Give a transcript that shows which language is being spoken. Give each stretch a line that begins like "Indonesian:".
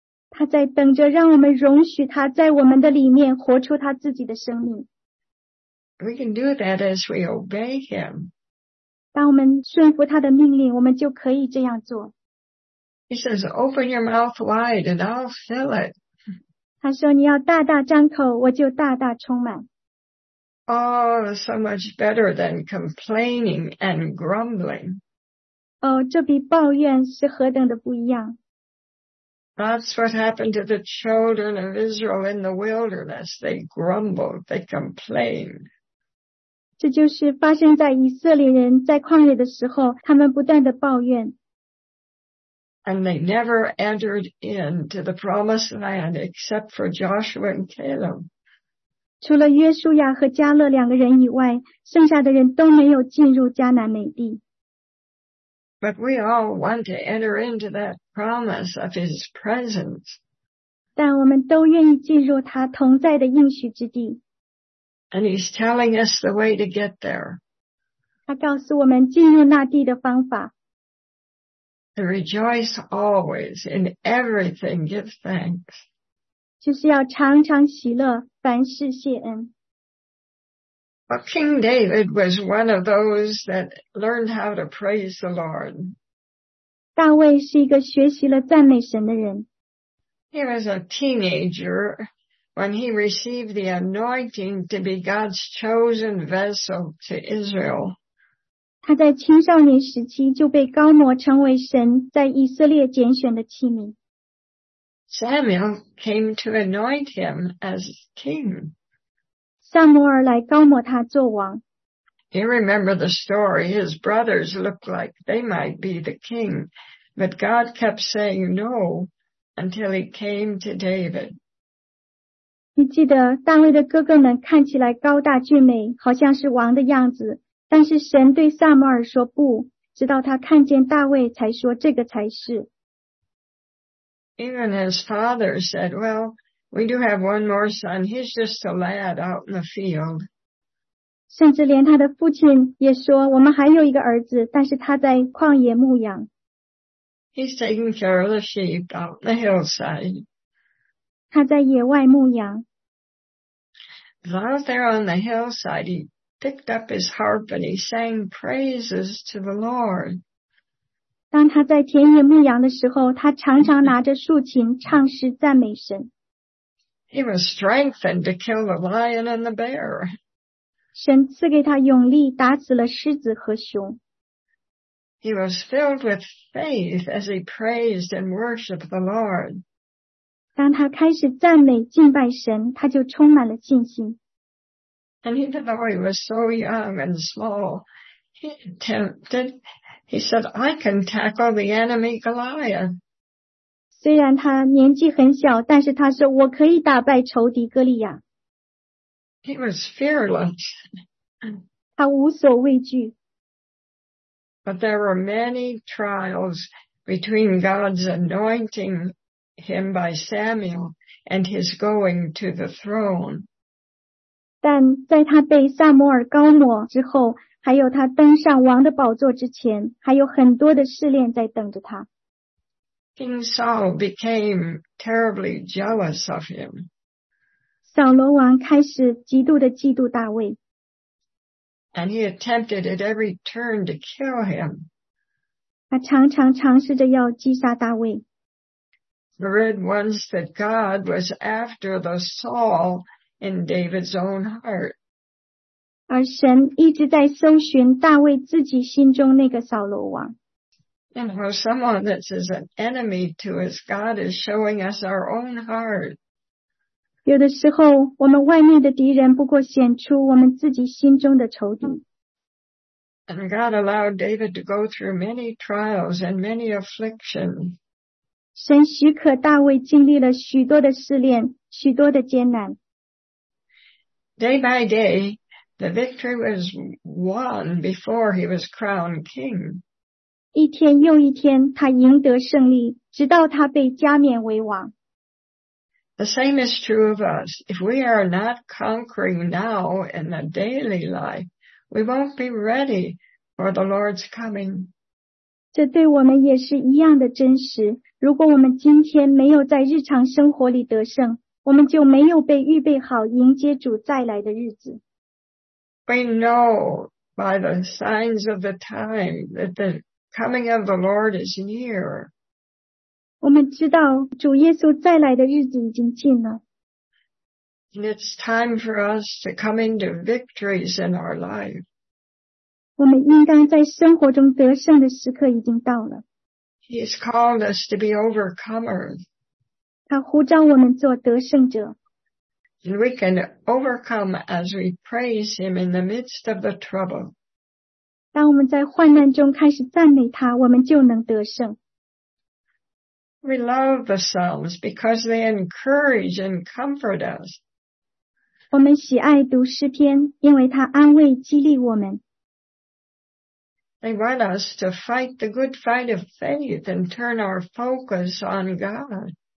Chinese: 他在等着让我们容许他在我们的里面活出他自己的生命。
English: We can do that as we obey him.
Chinese: 当我们顺服他的命令，我们就可以这样做。
English: He says, open your mouth wide and I'll fill it.
Chinese: 他说你要大大张口，我就大大充满。
English: Oh, so much better than complaining and grumbling.
Chinese: 哦，这比抱怨是何等的不一样。
English: That's what happened to the children of Israel in the wilderness. They grumbled, they complained.
Chinese: 这就是发生在以色列人在旷野的时候，他们不断的抱怨。
English: And they never entered into the promised land except for Joshua and Caleb.
Chinese: 除了约书亚和加勒两个人以外，剩下的人都没有进入迦南美地。
English: But we all want to enter into that promise of his presence.
Chinese: 但我们都愿意进入他同在的应许之地。
English: And he's telling us the way to get there.
Chinese: 他告诉我们进入那地的方法。
English: To rejoice always in everything, give thanks.
Chinese: 就是要常常喜乐，凡事谢恩。
English: But King David was one of those that learned how to praise the Lord.
Chinese: 大卫是一个学习了赞美神的人。
English: He was a teenager when he received the anointing to be God's chosen vessel to Israel.
Chinese: 他在青少年时期就被高摩成为神在以色列拣选的器皿。
English: Samuel came to anoint him as king.
Chinese: 撒母耳来高摩他做王。
English: You remember the story, his brothers looked like they might be the king, but God kept saying no until he came to David.
Chinese: 你记得大卫的哥哥们看起来高大俊美，好像是王的样子，但是神对撒母耳说不，直到他看见大卫才说这个才是。
English: Even his father said, well, we do have one more son, he's just a lad out in the field.
Chinese: 甚至连他的父亲也说我们还有一个儿子，但是他在旷野牧羊。
English: He's taking care of the sheep out in the hillside.
Chinese: 他在野外牧羊。
English: Out there on the hillside, he picked up his harp and he sang praises to the Lord.
Chinese: 当他在田野牧羊的时候，他常常拿着竖琴唱诗赞美神。
English: He was strengthened to kill the lion and the bear.
Chinese: 神赐给他勇力，打死了狮子和熊。
English: He was filled with faith as he praised and worshiped the Lord.
Chinese: 当他开始赞美敬拜神，他就充满了信心。
English: And even though he was so young and small, he attempted. He said, "I can tackle the enemy Goliath."
Chinese: 虽然他年纪很小，但是他说我可以打败仇敌哥利亚。
English: He was fearless.
Chinese: 他无所畏惧。
English: But there were many trials between God's anointing him by Samuel and his going to the throne.
Chinese: 但在他被撒母耳高抹之后，还有他登上王的宝座之前，还有很多的试炼在等着他。
English: King Saul became terribly jealous of him.
Chinese: 扫罗王开始极度的嫉妒大卫。
English: And he attempted at every turn to kill him.
Chinese: 他常常尝试着要击杀大卫。
English: I read once that God was after the Saul in David's own heart.
Chinese: 而神一直在搜寻大卫自己心中那个扫罗王。
English: You know, someone that is an enemy to us, God is showing us our own heart.
Chinese: 有的时候，我们外面的敌人不过显出我们自己心中的仇敌。
English: And God allowed David to go through many trials and many afflictions.
Chinese: 神许可大卫经历了许多的试炼，许多的艰难。
English: Day by day, the victory was won before he was crowned king.
Chinese: 一天又一天，他赢得胜利，直到他被加冕为王。
English: The same is true of us. If we are not conquering now in the daily life, we won't be ready for the Lord's coming.
Chinese: 这对我们也是一样的真实。如果我们今天没有在日常生活里得胜，我们就没有被预备好迎接主再来的日子。
English: We know by the signs of the time that the coming of the Lord is near.
Chinese: 我们知道主耶稣再来的日子已经近了。
English: It's time for us to come into victories in our life.
Chinese: 我们应当在生活中得胜的时刻已经到了。
English: He has called us to be overcomers.
Chinese: 他呼召我们做得胜者。
English: And we can overcome as we praise him in the midst of the trouble.
Chinese: 当我们在患难中开始赞美他，我们就能得胜。
English: We love the Psalms because they encourage and comfort us.
Chinese: 我们喜爱读诗篇，因为它安慰激励我们。
English: They want us to fight the good fight of faith and turn our focus on God.